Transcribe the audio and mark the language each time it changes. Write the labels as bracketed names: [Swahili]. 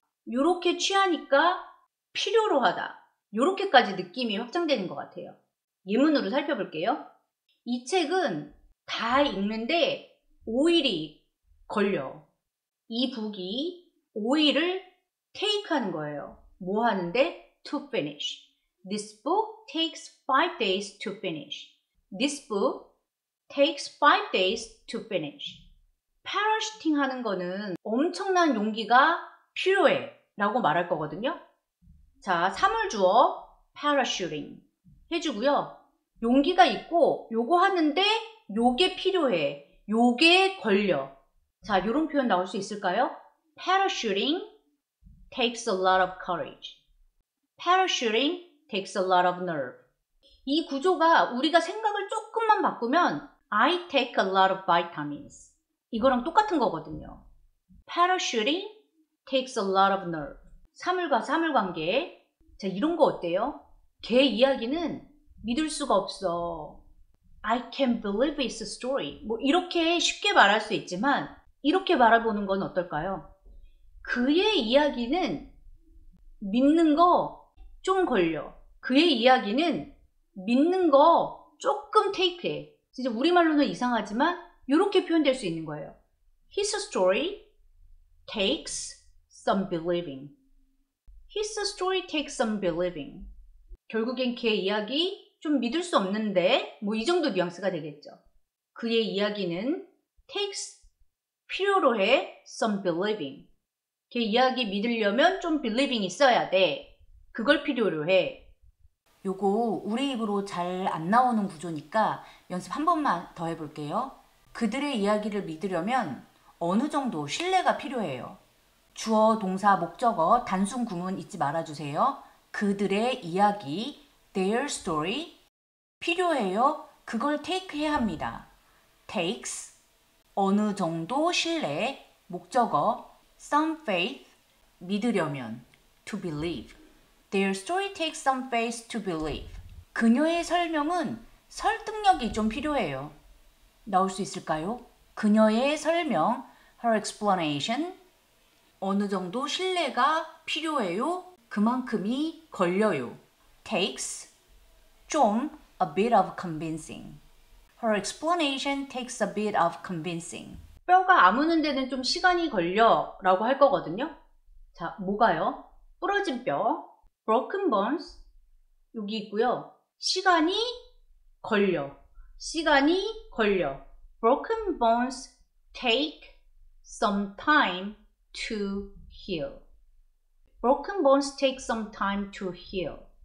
[Korean] 요렇게 취하니까 필요로 하다. 요렇게까지 느낌이 확장되는 것 같아요. 예문으로 살펴볼게요. 이 책은 다 읽는데 5일이 걸려. 이 북이 5일을 take 하는 거예요. 뭐 하는데? [English] To finish. This book takes 5 days to finish. This book takes 5 days to finish. [Korean] Parachuting 하는 거는 엄청난 용기가 필요해 라고 말할 거거든요. 자, 사물 주어 parachuting 해주고요. 용기가 있고 요거 하는데 요게 필요해. 요게 걸려. 자, 요런 표현 나올 수 있을까요? [English] Parachuting takes a lot of courage. Parachuting takes a lot of nerve. [Korean] 이 구조가 우리가 생각을 조금만 바꾸면 [English] I take a lot of vitamins. [Korean] 이거랑 똑같은 거거든요. [English] Parachuting takes a lot of nerve. [Korean] 사물과 사물 관계. 자, 이런 거 어때요? 걔 이야기는 믿을 수가 없어. [English] I can't believe it's a story. [Korean] 뭐 이렇게 쉽게 말할 수 있지만 이렇게 바라보는 건 어떨까요? 그의 이야기는 믿는 거 좀 걸려. 그의 이야기는 믿는 거 조금 테이크해. 진짜 우리말로는 이상하지만 이렇게 표현될 수 있는 거예요. [English] His story takes some believing. His story takes some believing. [Korean] 결국엔 걔 이야기 좀 믿을 수 없는데 뭐 이 정도 뉘앙스가 되겠죠. 그의 이야기는 takes 필요로 해 [English] some believing. [Korean] 걔 이야기 믿으려면 좀 believing 있어야 돼. 그걸 필요로 해. 요거 우리 입으로 잘 안 나오는 구조니까 연습 한 번만 더 해볼게요. 그들의 이야기를 믿으려면 어느 정도 신뢰가 필요해요. 주어, 동사, 목적어, 단순 구문 잊지 말아주세요. 그들의 이야기, [English] their story, [Korean] 필요해요. 그걸 take해야 합니다. takes, 어느 정도 신뢰, 목적어, [English] some faith, [Korean] 믿으려면, [English] to believe. Their story takes some faith to believe. [Korean] 그녀의 설명은 설득력이 좀 필요해요. 나올 수 있을까요? 그녀의 설명, [English] her explanation, [Korean] 어느 정도 신뢰가 필요해요. 그만큼이 걸려요. [English] takes 좀 a bit of convincing. Her explanation takes a bit of convincing. [Korean] 뼈가 아무는 데는 좀 시간이 걸려 라고 할 거거든요. 자, 뭐가요? 부러진 뼈, [English] broken bones [Korean] 여기 있고요. 시간이 걸려, 시간이 걸려. [English] broken bones take some time to heal. broken bones take some time to heal.